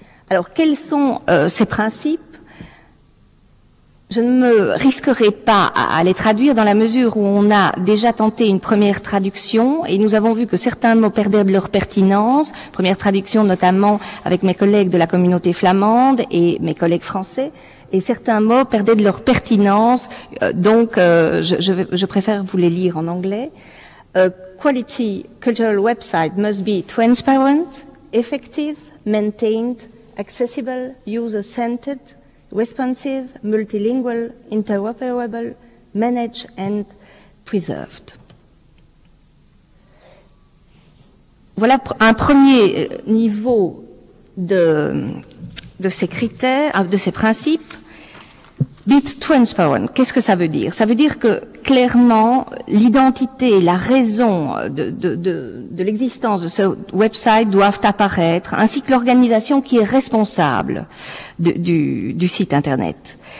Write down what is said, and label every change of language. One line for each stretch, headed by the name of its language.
French: Alors, quels sont ces principes? Je ne me risquerai pas à les traduire dans la mesure où on a déjà tenté une première traduction et nous avons vu que certains mots perdaient de leur pertinence, première traduction notamment avec mes collègues de la communauté flamande et mes collègues français, et certains mots perdaient de leur pertinence, donc je préfère vous les lire en anglais.
English: Quality cultural website must be transparent, effective, maintained, accessible, user-centered, responsive, multilingual, interoperable, managed and preserved.
French: Voilà un premier niveau de ces critères, de ces principes.
English: Be transparent,
French: qu'est-ce que ça veut dire? Ça veut dire que, clairement, l'identité, la raison de l'existence de ce website doivent apparaître, ainsi que l'organisation qui est responsable du site Internet.